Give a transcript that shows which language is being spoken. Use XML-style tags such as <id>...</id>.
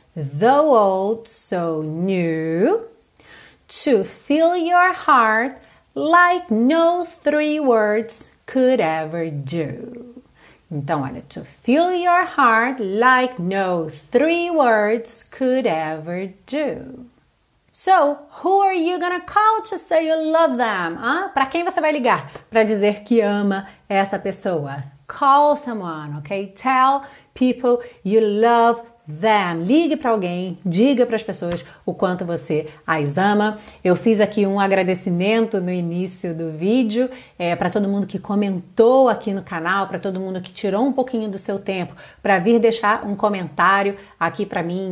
<en>Though old, so new, to fill your heart like no three words could ever do. Então, olha, to fill your heart like no three words could ever do. So, who are you gonna call to say you love them?</en> <pt>Pra quem você vai ligar pra dizer que ama essa pessoa?</pt> <en>Call someone, ok? Tell people you love them.</en> <pt>Ligue pra alguém, diga pras pessoas o quanto você as ama. Eu fiz aqui um agradecimento no início do vídeo pra todo mundo que comentou aqui no canal, pra todo mundo que tirou um pouquinho do seu tempo pra vir deixar um comentário aqui pra mim.</pt>